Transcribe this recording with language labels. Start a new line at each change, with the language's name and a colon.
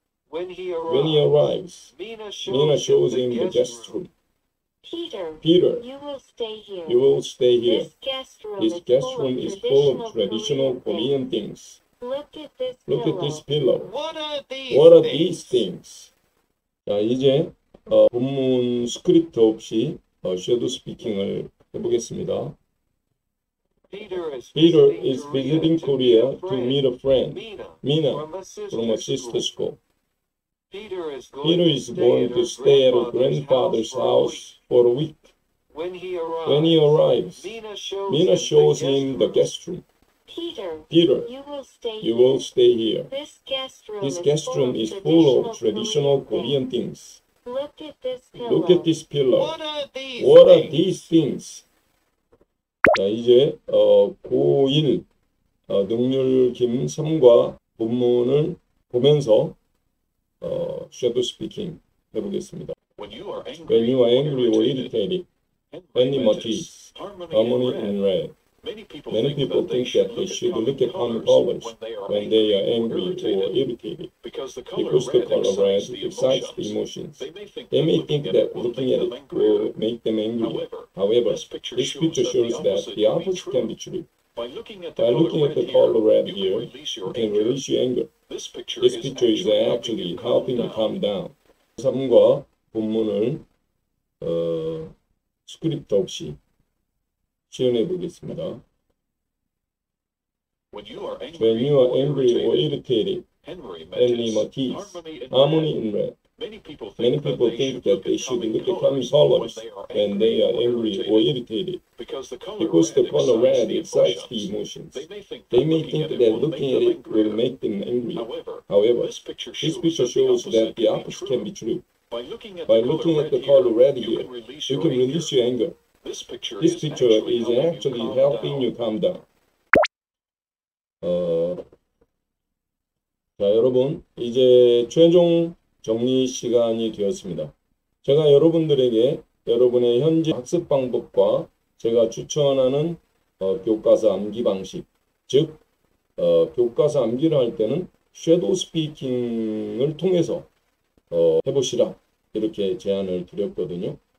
English: When he arrives, Mina shows him the guest room. Peter, you will stay here. This guest room is full of traditional Korean things. Look at this pillow. What are these things?
Korean: 자, 이제 본문 스크립트 없이 섀도우 스피킹을 해보겠습니다.
English: Peter is visiting Korea to meet a friend, Mina, from a sister school. Peter is going to stay at her grandfather's house for a week. When he arrives, Mina shows him the guest room. Peter, you will stay here. This guest room is full of traditional Korean things. Look at this pillow. What are these things?
Korean: 자, 이제 고1 능률 김3과 본문을 보면서 섀도우 스피킹 해보겠습니다.
English: When you are angry or irritated, any matches, harmony in red. Many people think that they should look at common colors when they are angry or irritated because the color red excites the emotions. They may think that looking at it will make them angry. However, this picture shows that the opposite can be true. By looking at the color red here, you can release your anger. This picture is actually helping you calm down.
Korean: 3과 본문을 스크립트 없이 시연해 보겠습니다.
English: When you are angry or irritated, Henry Matisse, harmony in red. Many people think that they should look at common colors when they are angry or irritated because the color red excites the emotions. They may think that looking at it will make them angry. However, this picture shows that the opposite can be true. By looking at the color red here, you can release your anger. This picture is actually helping you calm down.
Korean: 자, 여러분, 이제 최종 정리 시간이 되었습니다. 제가 여러분들에게 여러분의 현재 학습 방법과 제가 추천하는 교과서 암기 방식, 즉 교과서 암기를 할 때는 섀도우 스피킹을 통해서 해보시라 이렇게 제안을 드렸거든요.